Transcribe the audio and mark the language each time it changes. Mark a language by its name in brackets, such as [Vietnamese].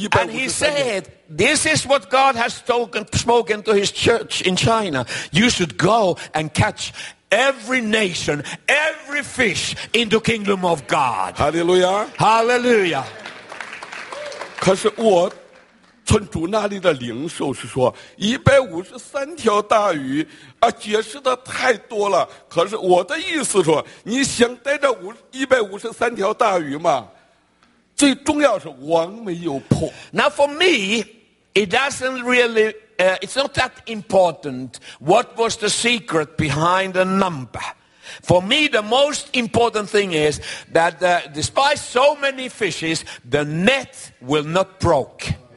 [English] he said, "This is what God has spoken to His church in China. You should go and catch every nation, every fish in the kingdom of God." Hallelujah! Hallelujah! [Chinese] 可是我。从主那里的灵受是说，153条大鱼，啊，解释的太多了。可是我的意思说，你想逮着153条大鱼吗？最重要是网没有破。 [English] Now for me, it doesn't really, it's not that important what was the secret behind the number. For me, the most important thing is that despite so many fishes, the net will not broke.